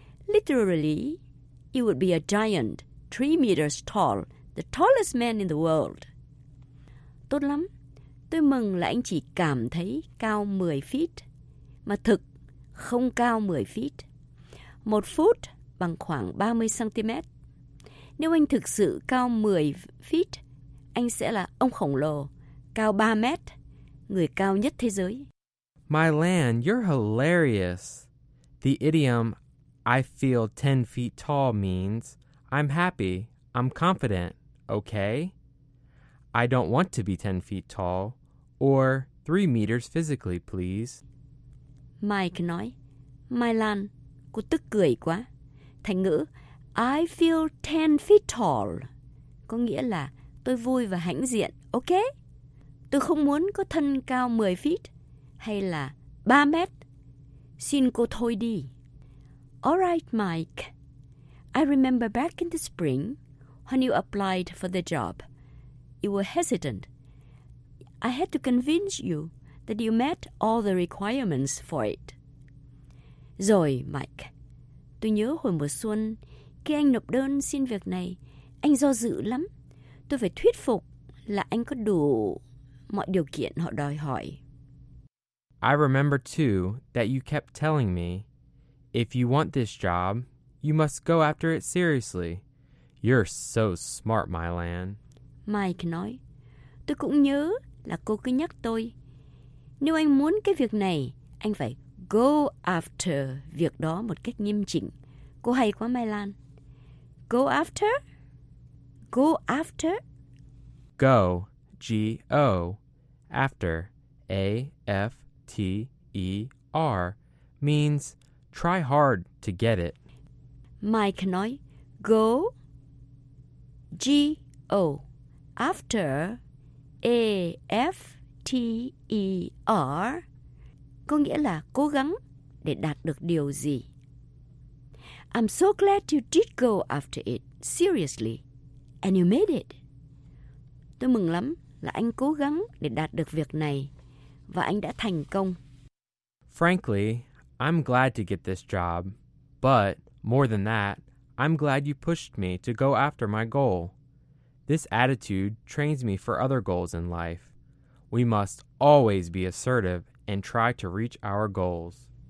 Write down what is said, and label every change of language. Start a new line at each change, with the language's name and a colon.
English: Literally, you would be a giant, 3 meters tall, the tallest man in the world.
Vietnamese: Tốt lắm. Tôi mừng là anh chỉ cảm thấy cao 10 feet. Mà thực, không cao 10 feet. Một foot bằng khoảng 30 cm. Nếu anh thực sự cao 10 feet, anh sẽ là ông khổng lồ, cao 3 mét, người cao nhất thế giới.
English: Mai Lan, you're hilarious. The idiom "I feel 10 feet tall" means I'm happy, I'm confident. Okay, I don't want to be 10 feet tall or 3 meters physically, please.
Vietnamese: Mike nói, Mai Lan, cô tức cười quá. Thành ngữ,
English: I feel 10 feet tall,
Vietnamese: có nghĩa là tôi vui và hãnh diện, ok? Tôi không muốn có thân cao 10 feet hay là 3 mét. Xin cô thôi đi.
English: Alright, Mike. I remember back in the spring when you applied for the job. you were hesitant. I had to convince you that you met all the requirements for it.
Vietnamese: Rồi, Mike. Tôi nhớ hồi mùa xuân, khi anh nộp đơn xin việc này, anh do dự lắm. Tôi phải thuyết phục là anh có đủ mọi điều kiện họ đòi hỏi.
English: I remember, too, that you kept telling me, if you want this job, you must go after it seriously. You're so smart, Mylan.
Vietnamese: Mike nói, tôi cũng nhớ là cô cứ nhắc tôi, nếu anh muốn cái việc này, anh phải go after việc đó một cách nghiêm chỉnh. Cô hay quá, Mylan.
English: Go after? Go after? Go, G-O, after, A-F-T-E-R, means try hard to get it.
Vietnamese: Mike nói,
English: go, G-O, after, A-F-T-E-R,
Vietnamese: có nghĩa là cố gắng để đạt được điều gì.
English: I'm so glad you did go after it, seriously, and you made it.
Vietnamese: Tôi mừng lắm là anh cố gắng để đạt được việc này, và anh đã thành công.
English: Frankly, I'm glad to get this job, but more than that, I'm glad you pushed me to go after my goal. This attitude trains me for other goals in life. We must always be assertive and try to reach our goals.